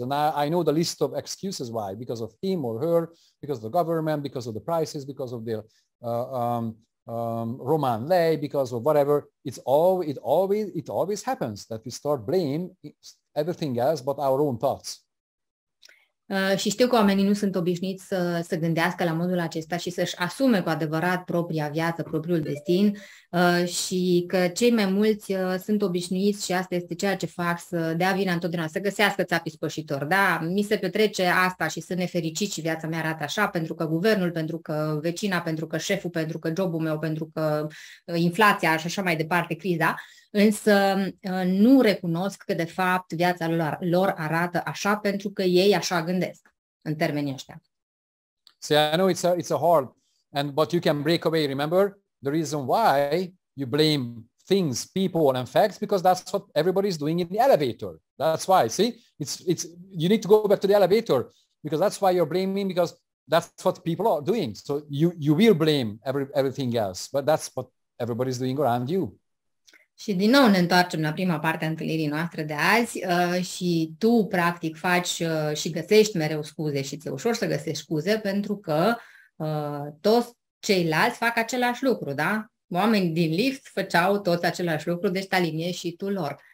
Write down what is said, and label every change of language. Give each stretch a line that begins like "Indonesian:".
English: And I know the list of excuses why, because of him or her, because of the government, because of the prices, because of the Roman lei, because of whatever, it always happens that we start blame everything else but our own thoughts.
Romanian: Și știu că oamenii nu sunt obișnuiți să gândească la modul acesta și să-și asume cu adevărat propria viață, propriul destin, și că cei mai mulți sunt obișnuiți, și asta este ceea ce fac, să dea vina întotdeauna, să găsească țapii spășitori. Da, mi se petrece asta și sunt nefericit și viața mea arată așa pentru că guvernul, pentru că vecina, pentru că șeful, pentru că jobul meu, pentru că inflația și așa mai departe, criza. Însă nu recunosc că, de fapt, viața lor arată așa pentru că ei așa gândesc în termenii ăștia.
English: See, I know it's a hard, and but you can break away, remember? The reason why you blame things, people and facts, because that's what everybody's doing in the elevator. That's why, see? It's you need to go back to the elevator, because that's why you're blaming, because that's what people are doing. So you will blame everything else, but that's what everybody's doing around you.
Romanian: Și din nou ne întoarcem la prima parte a întâlnirii noastre de azi și tu practic faci și găsești mereu scuze și ți-e ușor să găsești scuze pentru că toți ceilalți fac același lucru, da? Oamenii din lift făceau toți același lucru, deci te aliniezi și tu lor.